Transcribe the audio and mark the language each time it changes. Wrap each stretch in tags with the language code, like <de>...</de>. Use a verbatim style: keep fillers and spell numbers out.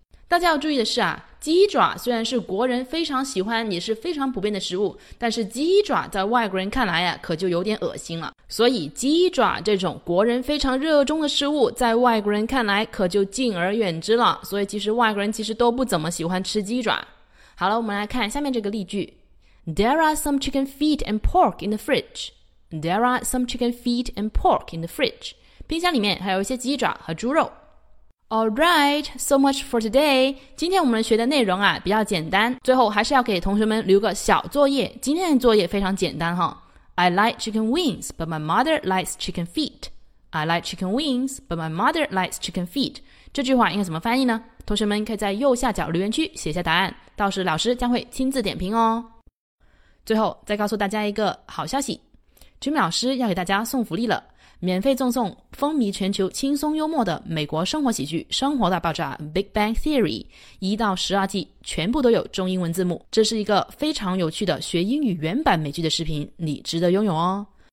<zh>大家要注意的是啊，鸡爪虽然是国人非常喜欢也是非常普遍的食物，但是鸡爪在外国人看来啊，可就有点恶心了。所以鸡爪这种国人非常热衷的食物，在外国人看来可就敬而远之了，所以其实外国人其实都不怎么喜欢吃鸡爪。好了，我们来看下面这个例句。</zh> <en>There are some chicken feet and pork in the fridge， There are some chicken feet and pork in the fridge，</en> <zh>冰箱里面还有一些鸡爪和猪肉。</zh> <en>Alright, so much for today.</en> <zh>今天我们学的内容啊比较简单，最后还是要给同学们留个小作业。今天的作业非常简单哈。</zh> <en>I like chicken wings, but my mother likes chicken feet. I like chicken wings, but my mother likes chicken feet.</en> <zh>这句话应该怎么翻译呢？同学们可以在右下角留言区写下答案，到时老师将会亲自点评哦。最后再告诉大家一个好消息，Jimmy老师要给大家送福利了。免费赠送风靡全球轻松幽默的美国生活喜剧《生活大爆炸》 Big Bang Theory， 一到十二季全部都有中英文字幕，这是一个非常有趣的学英语原版美剧的视频，你值得拥有哦。</zh>